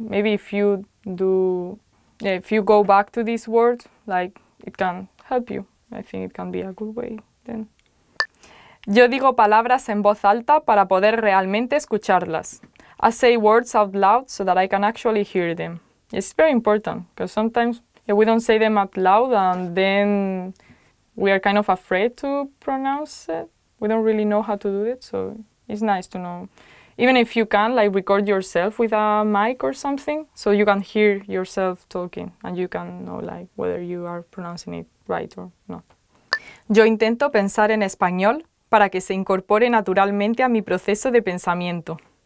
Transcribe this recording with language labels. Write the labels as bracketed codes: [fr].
[en] Maybe if you do, yeah, if you go back to these words, like it can help you. I think it can be a good way then. [es] Yo digo palabras en voz alta para poder realmente escucharlas. [en] I say words out loud so that I can actually hear them. It's very important because sometimes we don't say them out loud and then we are kind of afraid to pronounce it. We don't really know how to do it, so it's nice to know. Even if you can, like, record yourself with a mic or something so you can hear yourself talking and you can know, like, whether you are pronouncing it right or not. [es] Yo intento pensar en español para que se incorpore naturalmente a mi proceso de pensamiento.